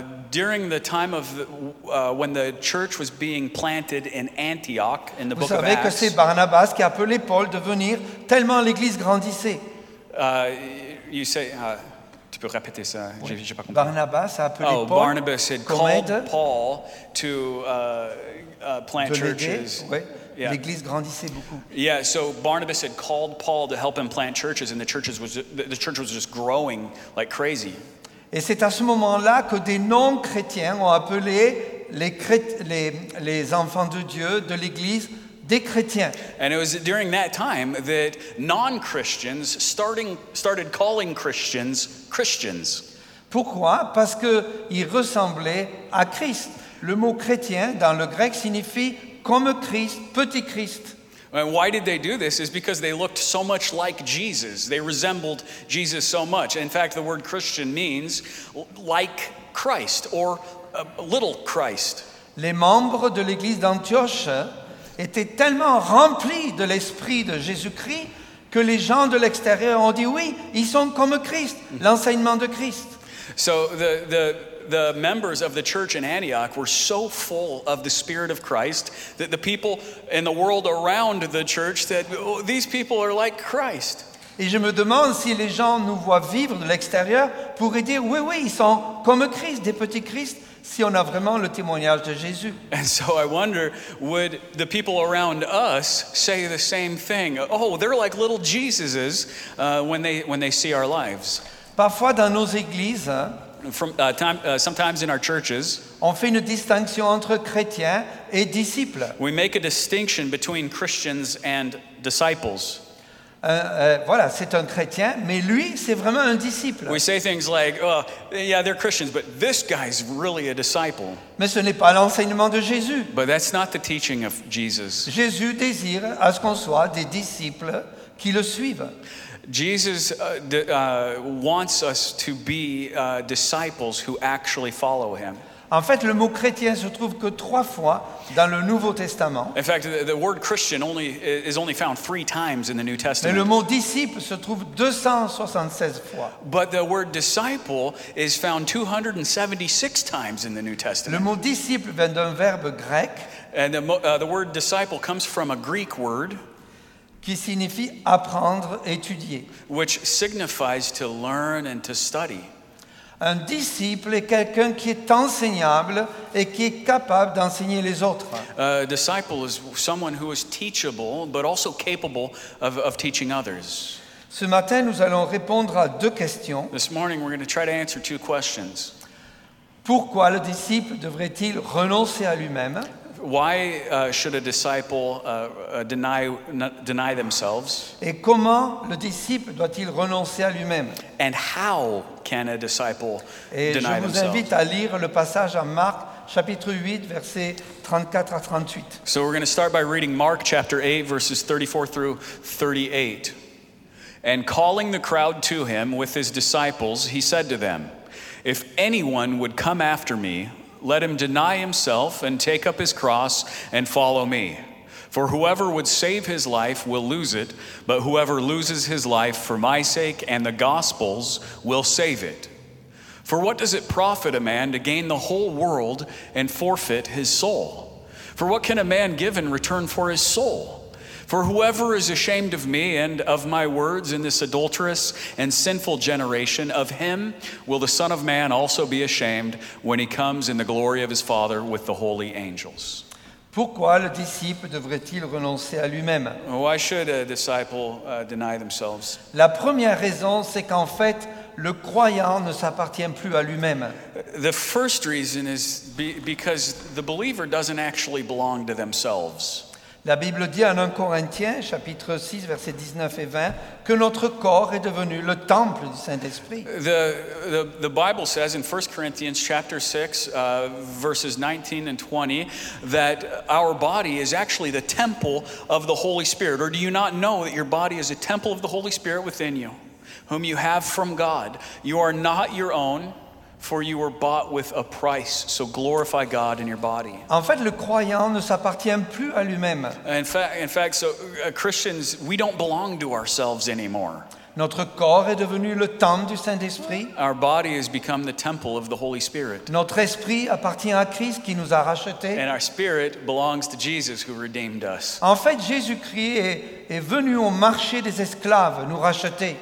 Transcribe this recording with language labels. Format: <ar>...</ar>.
<en>during the time of when the church was being planted in Antioch, in the</en> <fr>vous savez</fr> <en>of Acts,</en> <fr>que c'est Barnabas qui a appelé Paul de venir tellement l'église grandissait.</fr> <en>You say,</en> <fr>tu peux répéter ça? Oui. J'ai pas compris. Barnabas a appelé Paul.</fr> <en>Oh, Barnabas had called Paul to plant churches.</en> <fr>Oui. Yeah. L'église grandissait beaucoup.</fr> <en>Yeah, so Barnabas had called Paul to help him plant churches, and the church was just growing like crazy.</en> <fr>Et c'est à ce moment-là que des non-chrétiens ont appelé les enfants de Dieu de l'église. Des chrétiens.</fr> <en>And it was during that time that non-Christians started calling Christians Christians.</en> <fr>Pourquoi? Parce que ils ressemblaient à Christ. Le mot chrétien dans le grec signifie comme Christ, petit Christ.</fr> <en>And why did they do this? Is because they looked so much like Jesus. They resembled Jesus so much. In fact, the word Christian means like Christ or little Christ.</en> <fr>Les membres de l'église d'Antioche était tellement rempli de l'esprit de Jésus-Christ que les gens de l'extérieur ont dit oui, ils sont comme Christ, l'enseignement de Christ.</fr> <en>So the members of the church in Antioch were so full of the spirit of Christ that the people in the world around the church said, oh, these people are like Christ.</en> <fr>Et je me demande si les gens nous voient vivre de l'extérieur pourraient dire oui oui ils sont comme Christ des petits Christ si on a vraiment le témoignage de Jésus.</fr> <en>And so I wonder would the people around us say the same thing? Oh, they're like little Jesuses when they see our lives.</en> <fr>Parfois dans nos églises,</fr> <en>sometimes in our churches,</en> <fr>on fait une distinction entre chrétiens et disciples.</fr> <en>We make a distinction between Christians and disciples.</en> <fr>Voilà, c'est un chrétien, mais lui, c'est vraiment un disciple.</fr> <en>We say things like, oh, yeah, they're Christians, but this guy's really a disciple.</en> <fr>Mais ce n'est pas l'enseignement de Jésus.</fr> <en>But that's not the teaching of Jesus.</en> <fr>Jésus désire à ce qu'on soit des disciples qui le suivent.</fr> <en>Jesus wants us to be disciples who actually follow him.</en> <fr>En fait, le mot chrétien se trouve que trois fois dans le Nouveau Testament.</fr> <en>In fact, the word Christian is only found three times in the New Testament.</en> <fr>Mais le mot disciple se trouve 276 fois.</fr> <en>But the word disciple is found 276 times in the New Testament.</en> <fr>Le mot disciple vient d'un verbe grec.</fr> <en>And the word disciple comes from a Greek word.</en> <fr>Qui signifie apprendre, étudier.</fr> <en>Which signifies to learn and to study.</en> <fr>Un disciple est quelqu'un qui est enseignable et qui est capable d'enseigner les autres.</fr> <en>A disciple is someone who is teachable, but also capable of teaching others.</en> <fr>Ce matin, nous allons répondre à deux questions.</fr> <en>This morning, we're going to try to answer two questions.</en> <fr>Pourquoi le disciple devrait-il renoncer à lui-même?</fr> <en>Why should a disciple deny themselves?</en> <fr>Et comment le disciple doit-il renoncer à lui-même?</fr> <en>And how can a disciple</en> <fr>Et</fr> <en>deny themselves?</en> <fr>Je vous invite à lire le passage en Marc chapitre 8 versets 34 à 38.</fr> <en>So we're going to start by reading Mark chapter 8 verses 34 through 38. And calling the crowd to him with his disciples, he said to them, "If anyone would come after me, let him deny himself and take up his cross and follow me. For whoever would save his life will lose it, but whoever loses his life for my sake and the gospel's will save it. For what does it profit a man to gain the whole world and forfeit his soul? For what can a man give in return for his soul? For whoever is ashamed of me and of my words in this adulterous and sinful generation, of him will the Son of Man also be ashamed when he comes in the glory of his Father with the holy angels."</en> <fr>Pourquoi le disciple devrait-il renoncer à lui-même?</fr> <en>Why should a disciple deny themselves?</en> <fr>La première raison, c'est qu'en fait, le croyant ne s'appartient plus à lui-même.</fr> <en>The first reason is because the believer doesn't actually belong to themselves.</en> <fr>La Bible dit en 1 Corinthiens, chapitre 6, versets 19 et 20, que notre corps est devenu le temple du Saint-Esprit.</fr> <en>The Bible says in 1 Corinthians, chapter 6, verses 19 and 20, that our body is actually the temple of the Holy Spirit. Or do you not know that your body is a temple of the Holy Spirit within you, whom you have from God? You are not your own. For you were bought with a price, so glorify God in your body.</en> <fr>En fait, le croyant ne s'appartient plus à lui-même.</fr> <en>In fact, so Christians, we don't belong to ourselves anymore.</en> <fr>Notre corps est devenu le temple du Saint-Esprit.</fr> <en>Our body has become the temple of the Holy Spirit.</en> <fr>Notre esprit appartient à Christ qui nous a rachetés.</fr> <en>And our spirit belongs to Jesus who redeemed us.</en> <fr>En fait, Jésus-Christ est venu au marché des esclaves nous racheter.</fr>